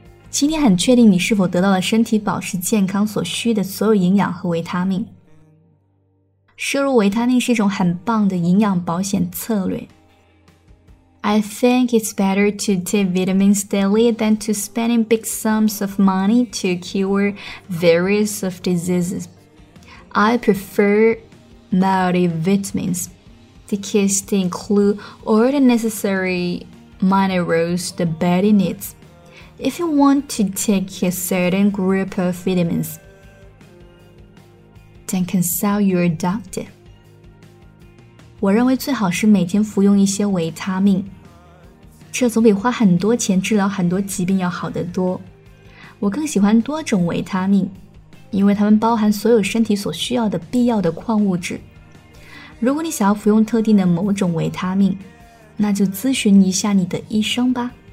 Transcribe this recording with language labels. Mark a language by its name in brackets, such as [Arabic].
[Chinese] 今天很确定你是否得到了身体保持健康所需的所有营养和维他命。摄入维他命是一种很棒的营养保险策略。 [English] I think it's better to take vitamins daily than to spending big sums of money to cure various of diseases. I prefer multivitamins because they include all the necessary minerals the body needs. If you want to take a certain group of vitamins,Then consult your doctor. [Chinese] 我认为最好是每天服用一些维他命，这总比花很多钱治疗很多疾病要好得多。我更喜欢多种维他命，因为它们包含所有身体所需要的必要的矿物质。如果你想要服用特定的某种维他命，那就咨询一下你的医生吧。